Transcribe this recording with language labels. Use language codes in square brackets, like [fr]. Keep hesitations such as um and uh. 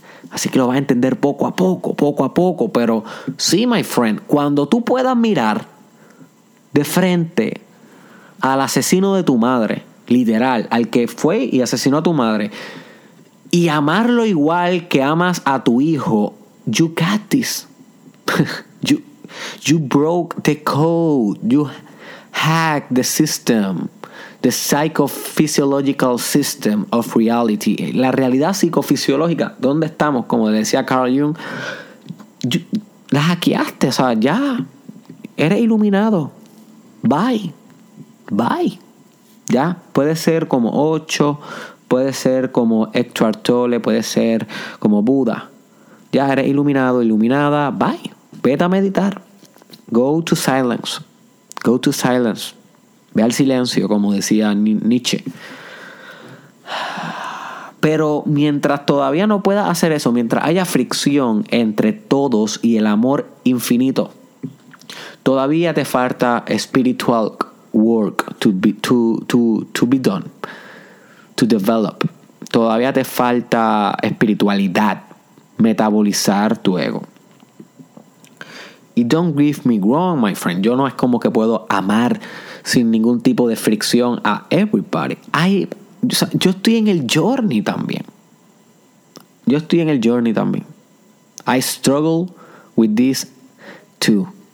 [es] Así que lo vas a entender poco a poco, poco a poco. Pero sí, [en] my friend, [es] cuando tú puedas mirar de frente al asesino de tu madre, literal, al que fue y asesinó a tu madre, y amarlo igual que amas a tu hijo, [en] you got this. you, you broke the code. You hacked the system the psychophysiological system of reality. [es] La realidad psicofisiológica, ¿dónde estamos? Como decía Carl Jung, la hackeaste, o sea, ya, eres iluminado. [en] Bye, bye. [es] Ya, puede ser como Ocho, puede ser como Héctor Tolle, puede ser como Buda. Ya eres iluminado, iluminada, [en] bye. [es] Vete a meditar. [en] Go to silence. Go to silence. [es] Ve al silencio, como decía Nietzsche. Pero mientras todavía no puedas hacer eso, mientras haya fricción entre todos y el amor infinito, todavía te falta [en] spiritual work to be, to, to, to be done, to develop. [es] Todavía te falta espiritualidad, metabolizar tu ego. Y [en] don't grieve me wrong, my friend. [es] Yo no es como que puedo amar sin ningún tipo de fricción a everybody. [en] I, [es] o sea, yo estoy en el journey también. Yo estoy en el journey también. [en] I struggle with this too.